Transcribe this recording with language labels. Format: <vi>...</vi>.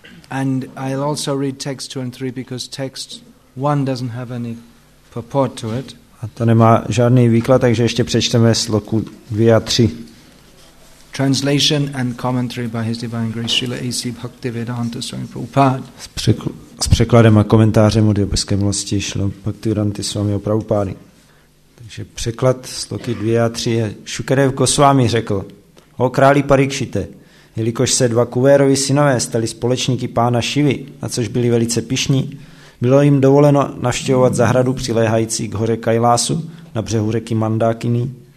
<en>And I'll also read text 2 and 3 because text 1 doesn't have any purport to it.</en> <cs>A to nemá žádný výklad, takže ještě přečteme sloku 2 a 3.</cs> <en>Translation and commentary by His Divine Grace Srila A.C. Bhaktivedanta Swami Prabhupada.</en> <cs>S překladem a komentářem od Nejvyšší milosti Srila Bhaktivedanty Swami Prabhupady. Takže překlad sloky 2 a 3 je: Šukadev Gosvámi řekl, o králi Parikšite, jelikož se dva Kuvérovi synové stali společníky pána Šivy, na což byli velice pyšní, bylo jim dovoleno navštěvovat zahradu přiléhající k hoře Kailásu na břehu řeky Mandákiny.</cs>